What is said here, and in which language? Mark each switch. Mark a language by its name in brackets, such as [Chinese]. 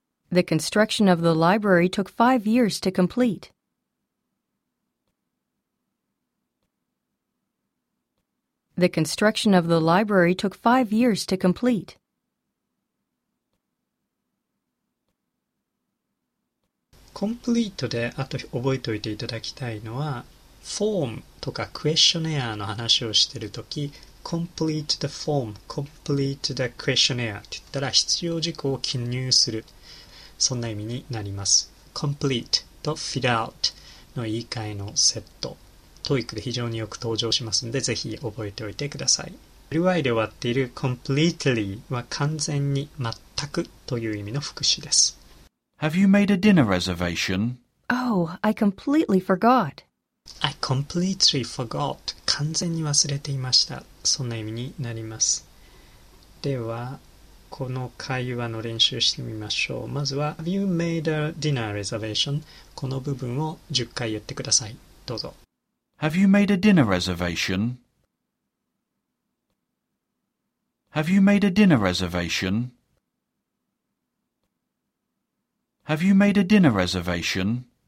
[English] The construction of the library took 5 years to complete. The construction of the library took 5 years to complete. [Japanese] Complete であと覚えておいていただきたいのは、form とか questionnaire の話をしているとき、 [English] complete the form, complete the questionnaire [Japanese] って言ったら必要事項を記入する。そんな意味になります。complete と fill out の言い換えのセット。 TOEIC で非常によく登場しますので、ぜひ覚えておいてください。 LY で終わっている completely は完全に全くという意味の副詞です。 [English] Have you made a dinner reservation? Oh, I completely forgot. I completely forgot. [Japanese] 完全に忘れていました。そんな意味になります。では、この会話の練習してみましょう。まずは、 [English] Have you made a dinner reservation? [Japanese] この部分を10回言ってください。どうぞ。 [English] Have you made a dinner reservation? Have you made a dinner reservation? Have you made a dinner reservation?